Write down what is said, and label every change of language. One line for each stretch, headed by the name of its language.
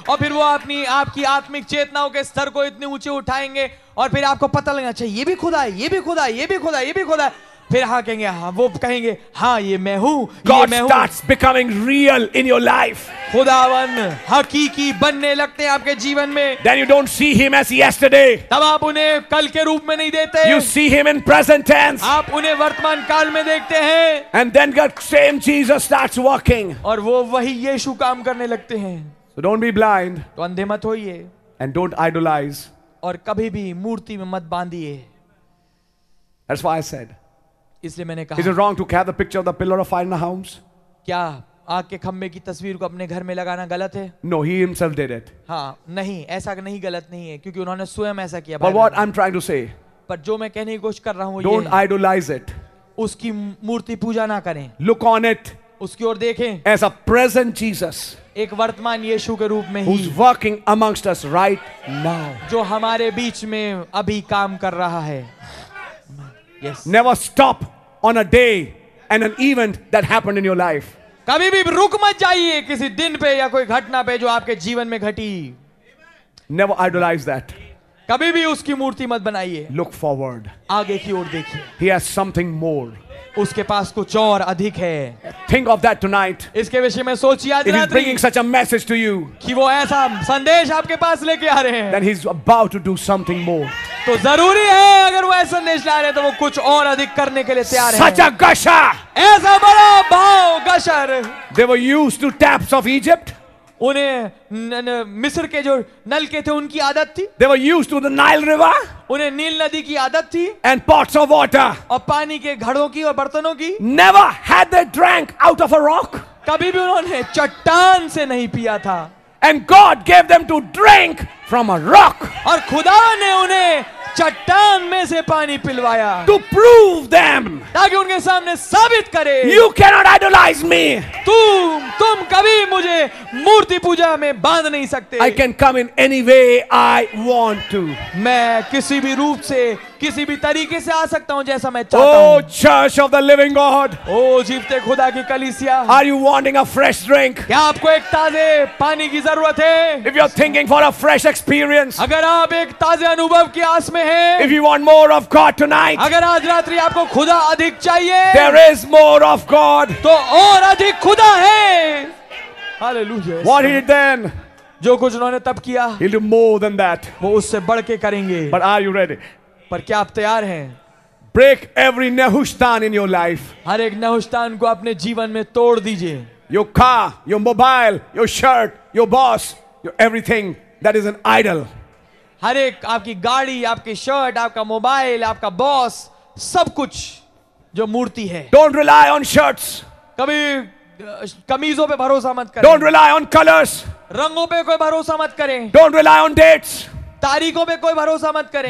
Hindi: और फिर वो अपनी आपकी आत्मिक चेतनाओं के स्तर को इतने ऊंचे उठाएंगे और फिर आपको पता लगेगा, अच्छा ये भी खुदा है, ये भी खुदा है, ये भी खुदा है, ये भी खुदा है. फिर हाँ कहेंगे, हाँ वो कहेंगे, हाँ ये मैं हूँ.
English: God starts becoming real in your life.
Hindi: खुदावन हकीकी बनने लगते हैं आपके जीवन में.
English: Then you don't see him as yesterday.
Hindi: तब आप उन्हें कल के रूप में नहीं देते.
English: You see him in present tense.
Hindi: आप उन्हें वर्तमान काल में देखते हैं.
English: And then God same Jesus starts walking.
Hindi: और वो वही यीशु काम करने लगते हैं.
English: So don't be blind.
Hindi: तो अंधे मत होइए.
English: And don't idolize.
Hindi: और कभी भी मूर्ति में मत बांधिए.
English: That's why I said.
Hindi: इसलिए मैंने कहा,
English: is it wrong to carry the picture of the pillar of fire in the house?
Hindi: क्या आग के खंभे की तस्वीर को अपने घर में लगाना गलत है?
English: No, he himself did it.
Hindi: हाँ, नहीं, ऐसा नहीं गलत नहीं है, क्योंकि उन्होंने स्वयं ऐसा किया.
English: But what I'm trying to say,
Hindi: पर जो मैं कहने की कोशिश कर रहा हूँ,
English: don't idolize it.
Hindi: उसकी मूर्ति पूजा ना करें.
English: Look on it.
Hindi: उसकी ओर देखें.
English: As a present Jesus.
Hindi: एक वर्तमान यीशु के रूप में
English: ही, who's working amongst us right now.
Hindi: जो हमारे बीच में अभी काम कर रहा है.
English: Yes. Never stop on a day and an event that happened in your life.
Hindi: कभी भी रुक मत जाइए किसी दिन पे या कोई घटना पे जो आपके जीवन में घटी.
English: Never idolize that.
Hindi: कभी भी उसकी मूर्ति मत बनाइए.
English: Look forward.
Hindi: आगे की ओर देखिए.
English: He has something more.
Hindi: उसके पास कुछ और अधिक है.
English: Think of that tonight.
Hindi: इसके विषय में सोचिए आज रात्रि.
English: He's bringing such a message to you.
Hindi: कि वो ऐसा संदेश आपके पास लेके आ रहे हैं.
English: Then he's about to do something more.
Hindi: तो जरूरी है अगर वो ऐसा संदेश ला रहे हैं तो वो कुछ और अधिक करने के लिए तैयार
English: हैं. Such a gusher.
Hindi: ऐसा बड़ा भाव गशर.
English: They were used to taps of Egypt.
Hindi: उन्हें मिस्र के जो नल के थे उनकी आदत थी.
English: They were used to the Nile River.
Hindi: उन्हें नील नदी की आदत थी.
English: And pots of water.
Hindi: और पानी के घड़ों की और बर्तनों की.
English: Never had they drank out of a rock.
Hindi: कभी भी उन्होंने चट्टान से नहीं पिया था.
English: And God gave them to drink from a rock.
Hindi: और खुदा ने उन्हें चट्टान में से पानी पिलवाया.
English: To prove them.
Hindi: ताकि उनके सामने साबित करे.
English: You cannot idolize me.
Hindi: तुम कभी मुझे मूर्ति पूजा में बांध नहीं सकते.
English: I can come in any way I want to.
Hindi: मैं किसी भी रूप से किसी भी तरीके से आ सकता हूँ जैसा मैं चाहता हूँ.
English: Oh Church of the Living God.
Hindi: Oh जीवते खुदा की कलीसिया.
English: Are you wanting a fresh drink?
Hindi: क्या आपको एक ताजे पानी की जरूरत है?
English: If you're thinking for a fresh experience.
Hindi: अगर आप एक ताजे अनुभव की आस में हैं.
English: If you want more of God tonight.
Hindi: अगर आज रात्रि आपको खुदा अधिक चाहिए.
English: There is more of God.
Hindi: तो और अधिक खुदा है. Hallelujah.
English: What he did then?
Hindi: जो कुछ उन्होंने तब किया.
English: He'll do more than that.
Hindi: वो उससे बढ़ के करेंगे.
English: But are you ready?
Hindi: पर क्या आप तैयार हैं?
English: Break every nehushtan in your life.
Hindi: हर एक नहुष्टान को अपने जीवन में तोड़ दीजिए.
English: Your car, your mobile, your shirt, your boss, your everything that is an idol.
Hindi: हर एक आपकी गाड़ी, आपकी शर्ट, आपका मोबाइल, आपका बॉस, सब कुछ जो मूर्ति है.
English: Don't rely on shirts.
Hindi: कभी कमीजों पे भरोसा मत करें.
English: Don't rely on colors.
Hindi: रंगों पे कोई भरोसा मत करें.
English: Don't rely on dates.
Hindi: तारीखों पे कोई भरोसा मत करें.